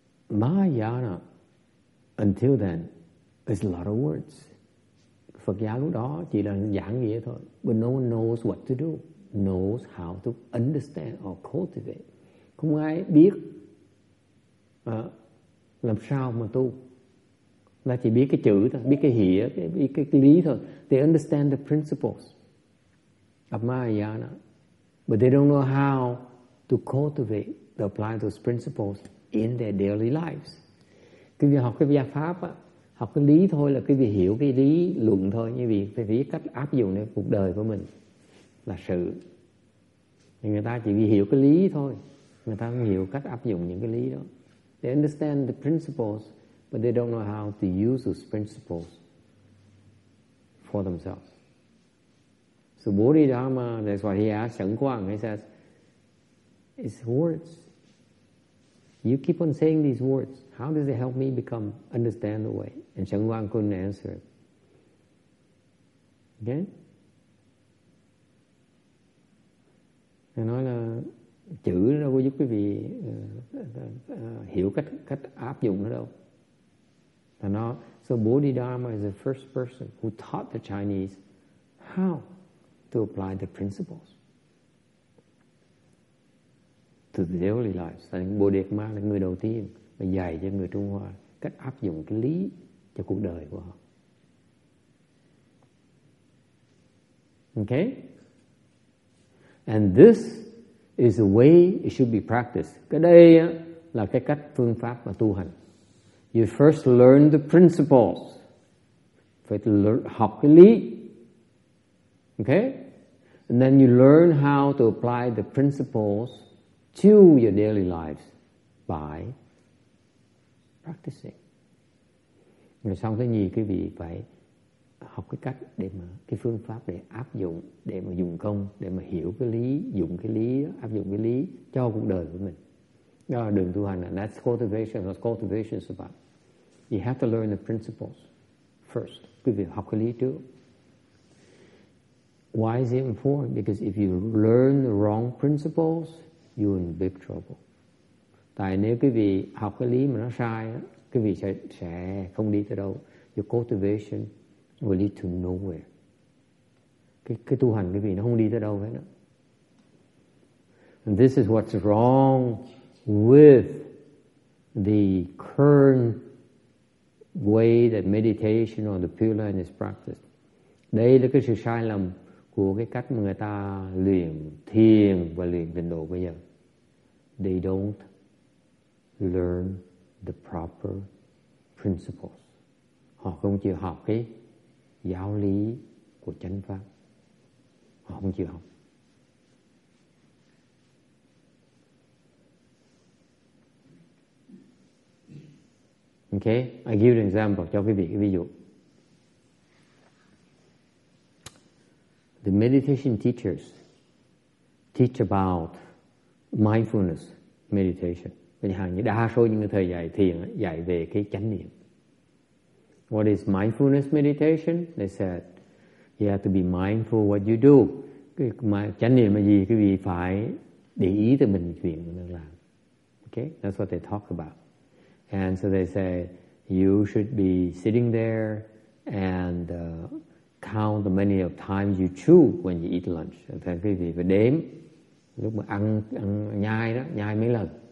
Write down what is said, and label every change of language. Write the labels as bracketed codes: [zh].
[en] Mahayana, until then, is a lot of words. [vi] Phật giáo lúc đó chỉ là giảng nghĩa thôi. [en] But no one knows what to do, knows how to understand or cultivate. [vi] Không ai biết làm sao mà tu. Là chỉ biết cái chữ thôi, biết cái hiểu, biết cái lý thôi. [en] They understand the principles of Mahayana, but they don't know how to cultivate, to apply those principles in their daily lives. [vi] Cái việc học cái gia pháp á, học cái lý thôi là cái việc hiểu cái lý luận thôi, như vì phải biết cách áp dụng lên cuộc đời của mình là sự. Thì người ta chỉ vì hiểu cái lý thôi, người ta không hiểu cách áp dụng những cái lý đó. [en] They understand the principles, but they don't know how to use those principles for themselves. So Bodhidharma, that's what he asked Sheng Kuang, he says, it's words. You keep on saying these words. How does it help me become understand the way? And Sheng Kuang couldn't answer it. Okay? [vi] Nên nói là chữ nó có giúp quý vị hiểu cách áp dụng nó đâu. [en] And now, so Bodhidharma is the first person who taught the Chinese how to apply the principles to the daily lives. [vi] Bodhidharma là người đầu tiên mà dạy cho người Trung Hoa cách áp dụng cái lý cho cuộc đời của họ. [en] Okay? And this is the way it should be practiced. [vi] Cái đây là cái cách phương pháp mà tu hành. [en] You first learn the principles. [vi] Phải học cái lý. [en] Okay? And then you learn how to apply the principles to your daily lives by practicing. [vi] Rồi xong thứ nhì, quý vị phải học cái cách để mà cái phương pháp để áp dụng, để mà dùng công, để mà hiểu cái lý, dùng cái lý, áp dụng cái lý cho cuộc đời của mình. Đó là đường tu hành. [en] That's cultivation. What cultivation is about. You have to learn the principles first. [vi] Quý vị học cái lý trước. [en] Why is it important? Because if you learn the wrong principles, you're in big trouble. [vi] Tại nếu quý vị học cái lý mà nó sai, quý vị sẽ không đi tới đâu. [en] Your cultivation will lead to nowhere. [vi] Cái tu hành quý vị nó không đi tới đâu hết. Đó. [en] And this is what's wrong with the current way that meditation or the Pure Land is practiced. [vi] Đây là cái sự sai lầm của cái cách mà người ta luyện thiền và luyện tịnh độ bây giờ. [en] They don't learn the proper principles. [vi] Họ không chịu học cái giáo lý của chánh pháp. Họ không chịu học. [en] Okay, I give an example [vi] cho quý vị cái ví dụ. [en] The meditation teachers teach about mindfulness meditation. [vi] Vậy hàng như đa số những thời dạy thiền dạy về cái chánh niệm. [en] What is mindfulness meditation? They said you have to be mindful what you do. [vi] Cái chánh niệm là gì? Quý vị phải để ý tới mình chuyện mình đang làm. [en] Okay, that's what they talk about. And so they say you should be sitting there and count the many of times you chew when you eat lunch. [vi] Thì quý vị phải đếm lúc mà ăn nhai đó, nhai mấy lần.